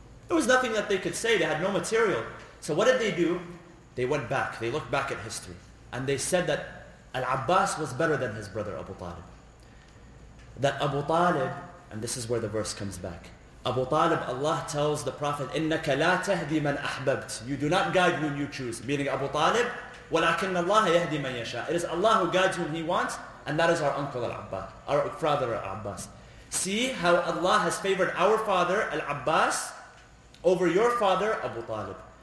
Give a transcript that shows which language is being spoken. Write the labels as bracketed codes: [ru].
[en] There was nothing that they could say. They had no material. So what did they do? They went back. They looked back at history. And they said that Al-Abbas was better than his brother Abu Talib. That Abu Talib, and this is where the verse comes back. Abu Talib, Allah tells the Prophet, [ar] إِنَّكَ لَا تَهْدِي مَنْ أَحْبَبْتِ. [en] You do not guide whom you choose. [ar] Meaning Abu Talib, وَلَكِنَّ اللَّهَ يَهْدِي مَنْ يَشَاءُ. [en] It is Allah who guides whom He wants, and that is our uncle Al-Abbas, our father Al-Abbas. See how Allah has favored our father Al-Abbas over your father Abu Talib.